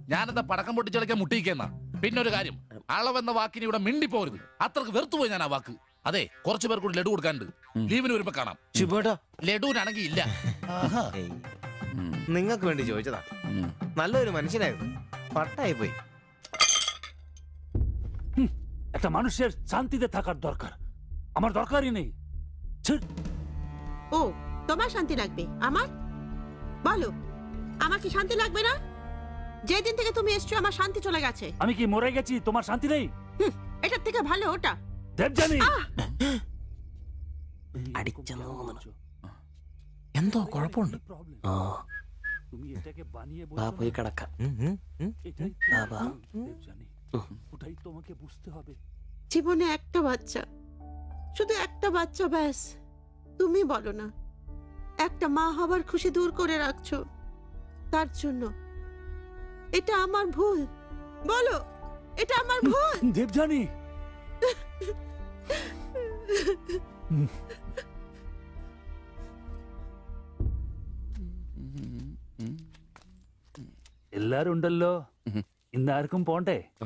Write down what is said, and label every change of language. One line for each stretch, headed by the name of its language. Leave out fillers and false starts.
Malayalam: ഞാൻ എന്താ പടക്കം പൊട്ടിച്ചടക്കാൻ മുട്ടിയിക്കുന്നാ? പിന്നെ ഒരു കാര്യം, അളവെന്ന വാക്കിന് ഇവിടെ മിണ്ടിപ്പോരുത്. അത്രക്ക് വെറുത്തുപോയി ഞാൻ ആ വാക്ക്. അതെ, കുറച്ചു പേർ കൂടി ലഡു കൊടുക്കാനുണ്ട്. ലീവിന് വരുമ്പോ കാണാം. ശിബുടാ, ലഡുവിനാണെങ്കിൽ ഇല്ല. നിങ്ങൾക്ക് വേണ്ടി ചോദിച്ചതാ, നല്ലൊരു മനുഷ്യനായിരുന്നു, പട്ടായി പോയി.
Bangla: একটা মানুষের শান্তিতে থাকার দরকার, আমার দরকারই নেই। ও, তোমার শান্তি লাগবে, আমার বলো আমার কি শান্তি লাগবে না? যেদিন থেকে তুমি এসছো আমার শান্তি চলে গেছে। আমি কি মরে গেছি তোমার শান্তি নেই? এটা থেকে ভালো ওটা দেব জানি।
Malayalam: എന്തോ കുഴപ്പമുണ്ട്. ആ പോയി കിടക്കാം.
Bangla: জীবনে একটা বাচ্চা, শুধু একটা বাচ্চা ব্যাস। তুমি বলো না, একটা মা হবার খুশি দূর করে রাখছো তার জন্য। এটা আমার ভুল, বলো এটা আমার ভুল।
Malayalam: দেবজানি, എല്ലാരും ഉണ്ടല്ലോ, ഇന്നാർക്കും പോണ്ടേ?